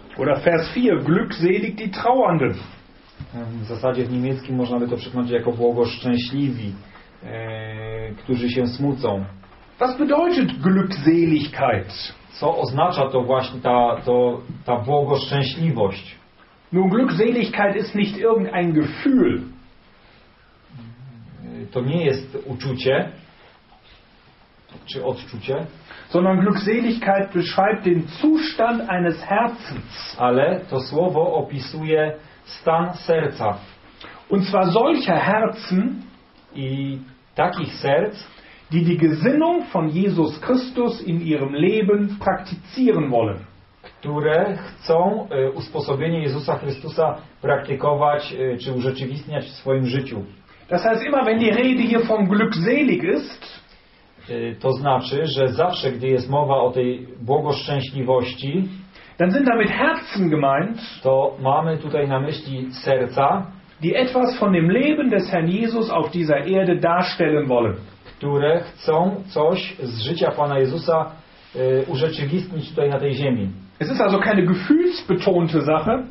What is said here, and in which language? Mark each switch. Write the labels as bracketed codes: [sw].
[de] Oder Vers 4, glückselig die Trauernden. [pl] W zasadzie w niemieckim można by to przekonać jako błogoszczęśliwi, którzy się smucą. [de] Was bedeutet Glückseligkeit? [pl] Co oznacza to właśnie ta błogoszczęśliwość? [de] Nun, Glückseligkeit ist nicht irgendein Gefühl. [pl] To nie jest uczucie czy odczucie, [de] sondern Glückseligkeit beschreibt den Zustand eines Herzens. [pl] Ale to słowo opisuje stan serca. [de] Und zwar solcher Herzen [pl] i takich serc, [de] die die Gesinnung von Jesus Christus in ihrem Leben praktizieren wollen. [pl] Które chcą usposobienie Jezusa Chrystusa praktykować czy urzeczywistniać w swoim życiu. [de] Das heißt, immer wenn die Rede hier von glückselig ist, [pl] to znaczy, że zawsze, gdy jest mowa o tej błogoszczęśliwości, [de] dann sind damit Herzen gemeint, [pl] to mamy tutaj na myśli serca, [de] die etwas von dem Leben des Herrn Jesus auf dieser Erde darstellen wollen. [pl] Które chcą coś z życia Pana Jezusa urzeczywistnić tutaj na tej ziemi. [de] Es ist also keine gefühlsbetonte Sache.